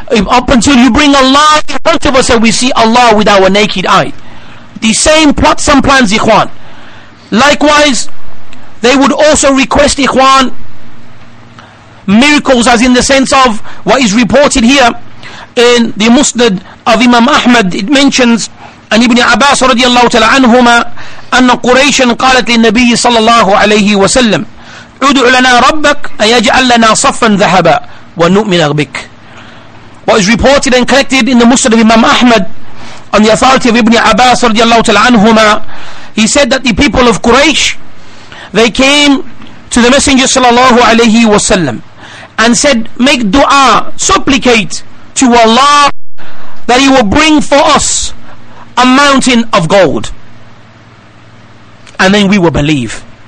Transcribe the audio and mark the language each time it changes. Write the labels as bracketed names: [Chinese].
[English] Up until you bring Allah in front of us and we see Allah with our naked eye. The same plots and plans, Ikhwan. Likewise, they would also request, Ikhwan, miracles, as in the sense of what is reported here in the Musnad of Imam Ahmad. It mentions, and Ibn Abbas radiallahu ta'ala anhuma, [Arabic] أن قريش قالت للنبي صلى الله عليه وسلم ادع لنا ربك أيجعل لنا صفا ذهبا ونؤمن بك. [English] What is reported and collected in the Musnad of Imam Ahmad on the authority of Ibn Abbas [Arabic] رضي الله تعالى عنهما, [English] he said that the people of Quraysh, they came to the Messenger [Arabic] صلى الله عليه وسلم [English] and said, make dua, supplicate to Allah that he will bring for us a mountain of gold, and then we will believe.